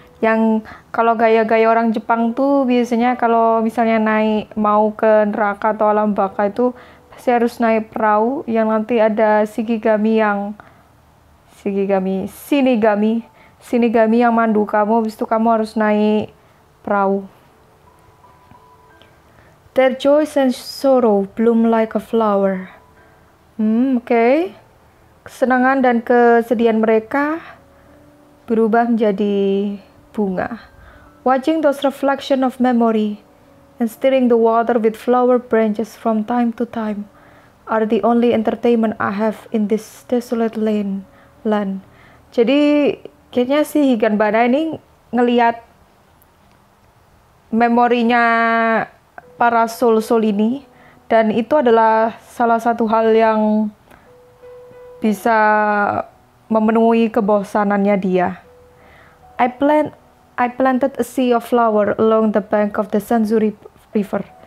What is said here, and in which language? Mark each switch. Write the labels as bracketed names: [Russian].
[Indonesian] Yang kalau gaya-gaya orang Jepang tuh biasanya kalau misalnya naik mau ke neraka atau alam baka itu pasti harus naik perahu, yang nanti ada Shinigami yang mandu kamu, habis itu kamu harus naik perahu. [English] Their joys and sorrow bloom like a flower. Okay. [Indonesian] Kesenangan dan kesedihan mereka berubah menjadi bunga. [English] Watching those reflection of memory and stirring the water with flower branches from time to time are the only entertainment I have in this desolate land. [Indonesian] Jadi kayaknya si Higanbara ini ngelihat memorinya para soul-soul ini, dan itu adalah salah satu hal yang bisa memenuhi kebosanannya dia. [English] I planted a sea of flower along the bank of the Sanzuri River.